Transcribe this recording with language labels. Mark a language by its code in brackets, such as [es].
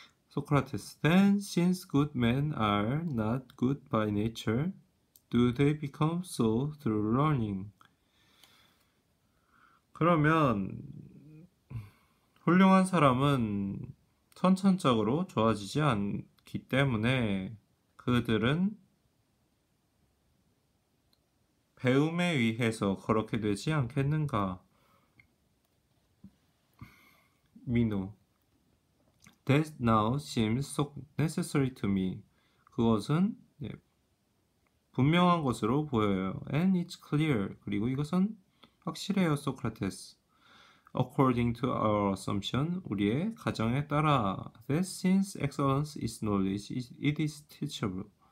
[en] 소크라테스, then since good men are not good by nature, do they become so through learning? [ko] 그러면 훌륭한 사람은 선천적으로 좋아지지 않기 때문에 그들은 배움에 의해서 그렇게 되지 않겠는가? [en] 민호, That now seems so necessary to me. [ko] 그것은 분명한 것으로 보여요. [en] And it's clear. [ko] 그리고 이것은 확실해요, 소크라테스. [en] According to our assumption, [ko] 우리의 가정에 따라, [en] that since excellence is knowledge, it is teachable.